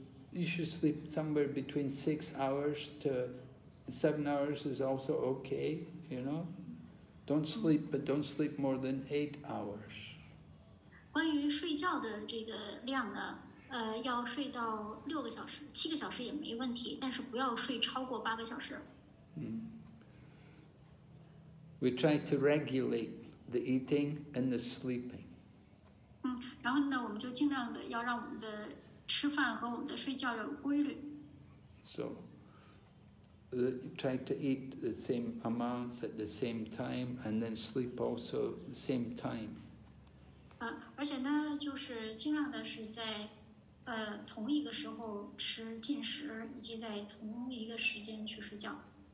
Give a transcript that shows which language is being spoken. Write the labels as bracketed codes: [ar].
[en] You should sleep somewhere between 6 hours to 7 hours is also okay. You know, don't sleep, but don't sleep more than 8 hours. [zh] 关于睡觉的这个量呢，要睡到6个小时、7个小时也没问题，但是不要睡超过8个小时。 [en] We try to regulate the eating and the sleeping. [zh] 然后呢，我们就尽量的要让我们的吃饭和我们的睡觉要有规律。 [en] So, try to eat the same amounts at the same time, and then sleep also the same time. [zh] 而且呢，就是尽量的是在，同一个时候吃进食，以及在同一个时间去睡觉。